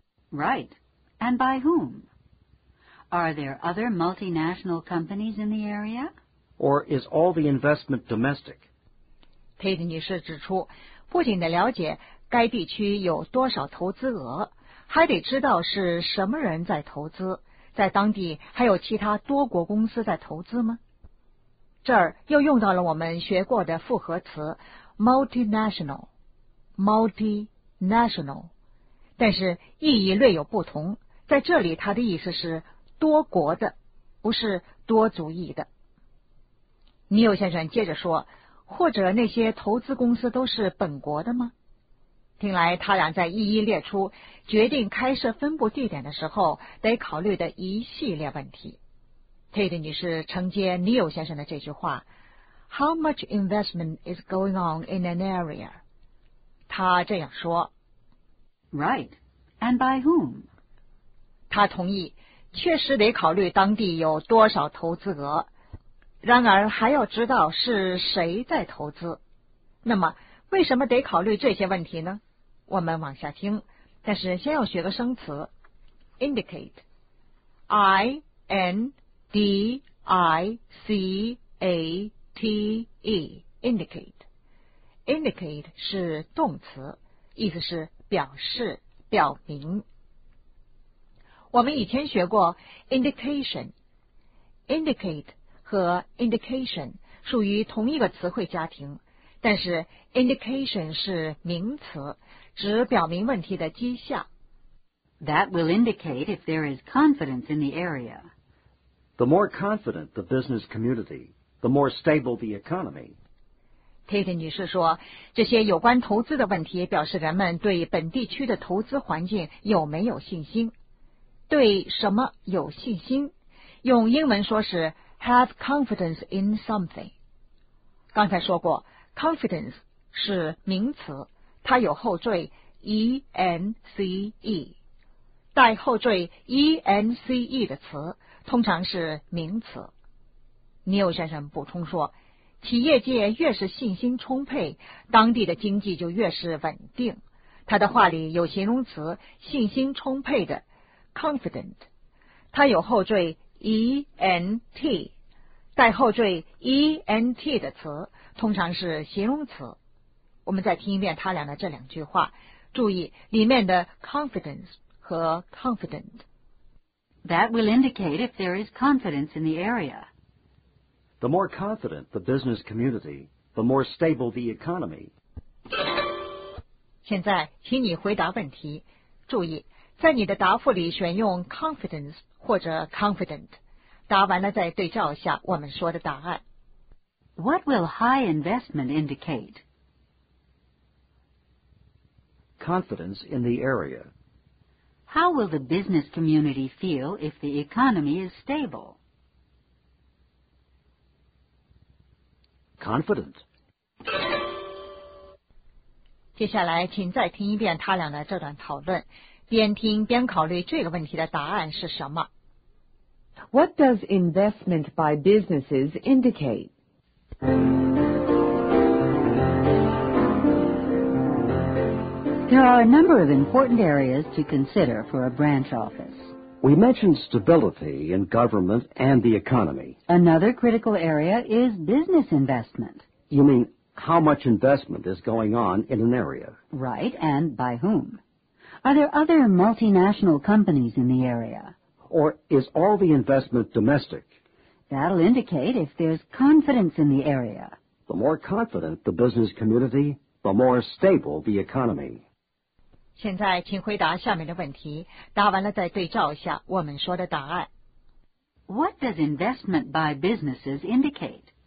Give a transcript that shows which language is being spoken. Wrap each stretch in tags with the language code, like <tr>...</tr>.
<en>Right, and by whom? Are there other multinational companies in the area? Or is all the investment domestic?</en> <zh>Tate 女士指出，不仅得了解该地区有多少投资额，还得知道是什么人在投资，在当地还有其他多国公司在投资吗？这儿又用到了我们学过的复合词 multinational， multinational， 但是意义略有不同，在这里它的意思是多国的，不是多族裔的。尼欧先生接着说，或者那些投资公司都是本国的吗？听来他俩在一一列出决定开设分部地点的时候得考虑的一系列问题。</zh> <en>Tate</en> <zh>女士承接</zh> <en>Neil</en> <zh>先生的这句话，</zh> <en>How much investment is going on in an area?</en> <zh>他这样说，</zh> <en>Right, and by whom?</en> <zh>他同意确实得考虑当地有多少投资额，然而还要知道是谁在投资。那么为什么得考虑这些问题呢？我们往下听，但是先要学个生词 indicate， I-N-D-I-C-A-T-E indicate， indicate 是动词，意思是表示表明。我们以前学过 indication， indicate 和 indication 属于同一个词汇家庭，但是 indication 是名词，指表明问题的迹象。</zh> <en>That will indicate if there is confidence in the area. The more confident the business community, the more stable the economy.</en> <zh>Tate 女士说，这些有关投资的问题表示人们对本地区的投资环境有没有信心。对什么有信心？用英文说是</zh> <en>have confidence in something。</en> <zh>刚才说过confidence 是名词，它有后缀 ence， 带后缀 ence 的词通常是名词。 Neil 先生补充说，企业界越是信心充沛，当地的经济就越是稳定。他的话里有形容词信心充沛的 confident， 它有后缀 ent， 带后缀 ent 的词通常是形容词。我们再听一遍他俩的这两句话，注意里面的 confidence 和 confident。 That will indicate if there is confidence in the area. The more confident the business community, the more stable the economy. 现在请你回答问题，注意在你的答复里选用 confidence 或者 confident， 答完了再对照一下我们说的答案。</zh> <en>What will high investment indicate? Confidence in the area. How will the business community feel if the economy is stable? Confident.</en> <zh>接下来请再听一遍他俩的这段讨论，边听边考虑这个问题的答案是什么。</zh> <en>What does investment by businesses indicate? There are a number of important areas to consider for a branch office. We mentioned stability in government and the economy. Another critical area is business investment. You mean how much investment is going on in an area? Right, and by whom? Are there other multinational companies in the area? Or is all the investment domestic? That'll indicate if there's confidence in the area. The more confident the business community, the more stable the economy.</en> <zh>现在请回答下面的问题，答完了再对照一下我们说的答案。</zh> <en>What does investment by businesses indicate?</en>